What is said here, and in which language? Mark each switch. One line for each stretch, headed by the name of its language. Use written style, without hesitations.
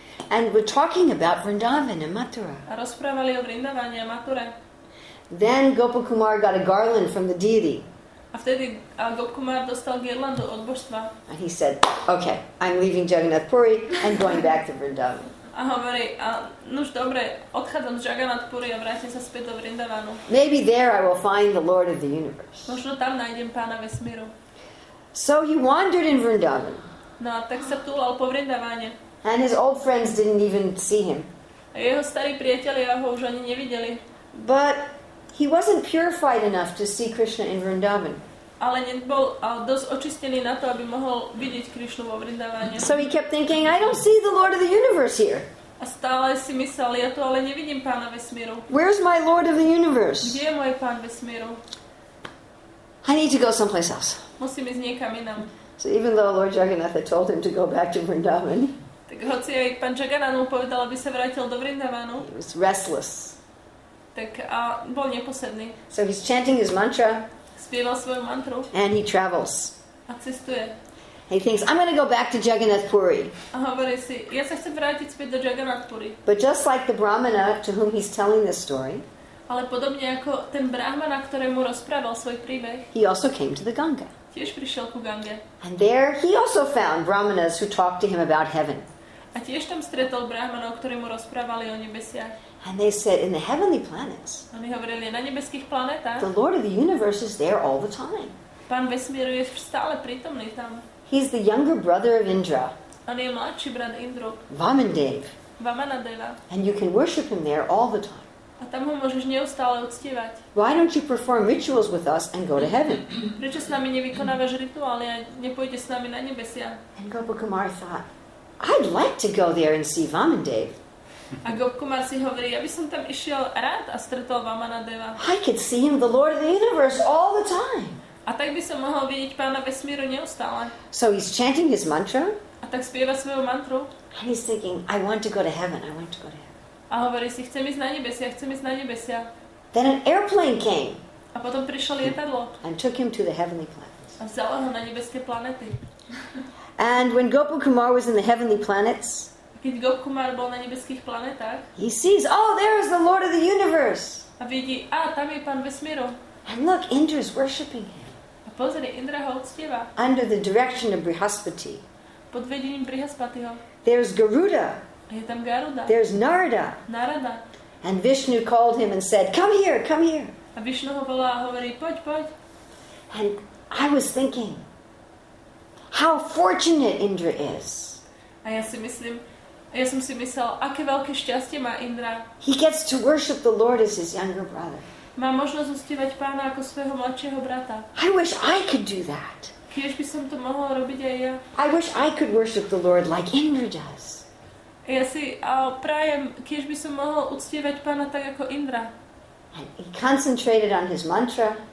English: And were talking about Vrindavan and Mathura.
Slovak: A rozprávali o Vrindavane a Mathure.
English: Then Gopakumar got a garland from the deity.
Slovak: A vtedy Gopakumar dostal girlandu od božstva.
English: And he said, okay, I'm leaving Jagannath Puri and going back to Vrindavan.
Slovak: A hovorí, nuž dobre, odchádzam z Jagannath Puri a vrátim sa späť do Vrindavanu.
English: Maybe there I will find the Lord of the Universe.
Slovak: Možno tam nájdem pána vesmíru.
English: So he wandered in Vrindavan.
Slovak: No a tak sa túlal po Vrindavane.
English: And his old friends didn't even see him.
Slovak: A jeho starí priatelia ho už ani nevideli.
English: But he wasn't purified enough to see Krishna in Vrindavan.
Slovak: Ale nebol dosť očistený na to, aby mohol vidieť Krishnu vo Vrindavane.
English: So he kept thinking, I don't see the Lord of the Universe here.
Slovak: A stále si myslel, ja tu ale nevidím pána vesmíru.
English: Where's my Lord of the Universe?
Slovak: Kde je môj pán vesmíru?
English: I need to go someplace else.
Slovak: Musím ísť niekam inam.
English: So even though Lord Jagannath had told him to go back to Vrindavan.
Slovak: Tak hoci aj pán Jagannath mu povedal, aby sa vrátil do Vrindavanu.
English: He was restless.
Slovak: Tak a bol neposedný.
English: So he's chanting his mantra.
Slovak: Spieval svoju mantru.
English: And he travels.
Slovak: A cestuje.
English: He thinks, I'm going to go back to Jagannath Puri.
Slovak: A hovorí si, ja sa chcem vrátiť späť do Jagannath Puri.
English: But just like the brahmana to whom he's telling this story.
Slovak: Ale podobne ako ten brahmana, ktorému rozprával svoj príbeh.
English: He also came to the Ganga.
Slovak: Tiež prišiel ku Gange.
English: And there he also found brahmanas who talked to him about heaven.
Slovak: A tiež tam stretol brahmanov, ktorí mu rozprávali o nebesiach.
English: And they said, in the heavenly planets,
Slovak: oni hovorili, na nebeských planetách,
English: the Lord of the Universe is there all the time.
Slovak: Pán vesmíru je stále prítomný tam.
English: He's the younger brother of Indra.
Slovak: On je mladší brat Indru.
English: Vamandev.
Slovak: Vamanadeva.
English: And you can worship him there all the time.
Slovak: A tam ho môžeš neustále uctievať.
English: Why don't you perform rituals with us and go to heaven?
Slovak: Prečo s nami nevykonávaš rituály a nepôjdeš s nami na nebesia?
English: And Gopakumar thought, I'd like to go there and see Vamandev.
Slovak: A Gopakumar si hovorí, ja by som tam išiel rád a stretol Vamanadeva.
English: I could see him, the Lord of the Universe, all the time.
Slovak: A tak by som mohol vidieť pána vesmíru neustále.
English: So he's chanting his mantra.
Slovak: A tak spieva svoju mantru.
English: And he's thinking, I want to go to heaven, I want to go to heaven.
Slovak: A hovorí si, chcem ísť na nebesia, chcem ísť na nebesia.
English: Then an airplane came.
Slovak: A potom prišlo lietadlo.
English: And took him to the heavenly planets.
Slovak: A vzalo ho na nebeské planety.
English: And when Gopakumar was in the heavenly planets,
Slovak: keď Gopakumar bol na nebeských planetách,
English: he sees, oh, there is the Lord of the Universe.
Slovak: A vidí, tam je pán vesmíru.
English: And look, Indra is worshiping him.
Slovak: A pozri, Indra ho uctieva.
English: Under the direction of Brihaspati.
Slovak: Pod vedením Brihaspatiho.
English: There is Garuda.
Slovak: A je tam Garuda.
English: There is Narada.
Slovak: Narada.
English: And Vishnu called him and said, come here, come here.
Slovak: A Vishnu ho volá a hovorí, poď, poď.
English: And I was thinking, how fortunate Indra is.
Slovak: A ja si myslím, ja som si myslel, aké veľké šťastie má Indra.
English: He gets to worship the Lord as his younger brother.
Slovak: Má možnosť uctievať pána ako svojho mladšieho brata.
English: I wish I could do that.
Slovak: Kiež by som to mohla robiť aj ja.
English: I wish I could worship the Lord like Indra does.
Slovak: Ja si prajem, kiež by som mohol uctievať pána tak ako Indra.
English: And he concentrated on his mantra.